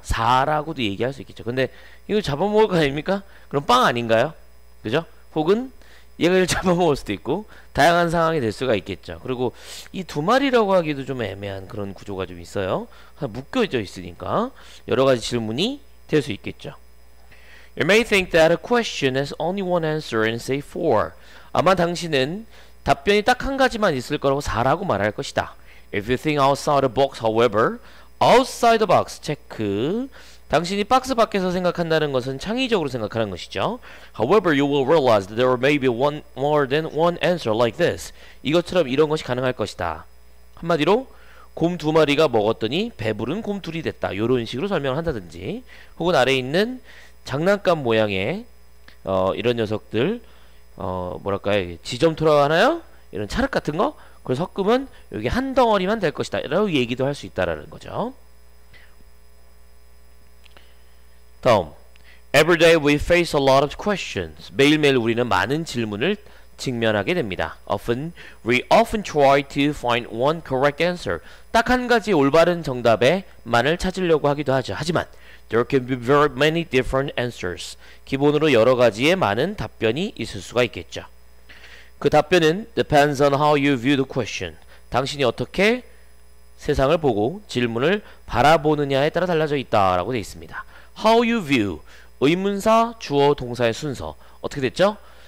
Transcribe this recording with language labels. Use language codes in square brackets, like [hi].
[ko] 4라고도 얘기할 수 있겠죠. 근데 이거 잡아먹을 거 아닙니까? 그럼 빵 아닌가요? 그죠? 혹은 얘가 이걸 잡아먹을 수도 있고 다양한 상황이 될 수가 있겠죠. 그리고 이두 마리라고 하기도 좀 애매한 그런 구조가 좀 있어요. 묶여져 있으니까 여러 가지 질문이 될수 있겠죠. [en] You may think that a question has only one answer and say four. [ko] 아마 당신은 답변이 딱한 가지만 있을 거라고 4라고 말할 것이다. [en] If you think outside the box, however, outside the box, 체크. [ko] 당신이 박스 밖에서 생각한다는 것은 창의적으로 생각하는 것이죠. [en] However, you will realize that there may be one more than one answer like this. [ko] 이것처럼 이런 것이 가능할 것이다. 한마디로, 곰두 마리가 먹었더니 배부른 곰 둘이 됐다. 이런 식으로 설명을 한다든지, 혹은 아래에 있는 장난감 모양의 이런 녀석들, 뭐랄까요, 지점토라고 하나요? 이런 찰흙 같은 거, 그걸 섞으면 여기 한 덩어리만 될 것이다 라고 얘기도 할수 있다라는 거죠. [en] 다음, Every day we face a lot of questions. [ko] 매일매일 우리는 많은 질문을 직면하게 됩니다. [en] We often try to find one correct answer. [ko] 딱한 가지 올바른 정답에만을 찾으려고 하기도 하죠. [en] 하지만 There can be very many different answers. [ko] 기본으로 여러 가지의 많은 답변이 있을 수가 있겠죠. 그 답변은 [en] depends on how you view the question. [ko] 당신이 어떻게 세상을 보고 질문을 바라보느냐에 따라 달라져 있다라고 되어 있습니다. [en] How you view [ko] 의문사 주어 동사의 순서 어떻게 됐죠?